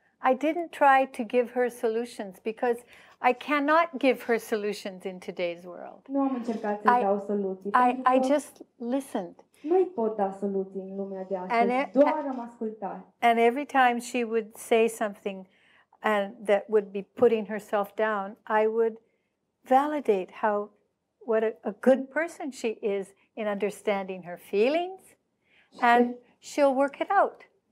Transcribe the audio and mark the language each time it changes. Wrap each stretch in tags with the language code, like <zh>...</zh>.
<en>I didn't try to give her solutions because I cannot give her solutions in today's world.</en> <ro>Nu am încercat să dau soluții.</ro> <en>I just listened.</en> <ro>Nu îi pot da soluții în lumea de astăzi. Doar am ascultat.</ro> <en>And every time she would say something and that would be putting herself down, I would validate what a good person she is in understanding her feelings, and she'll work it out.</en>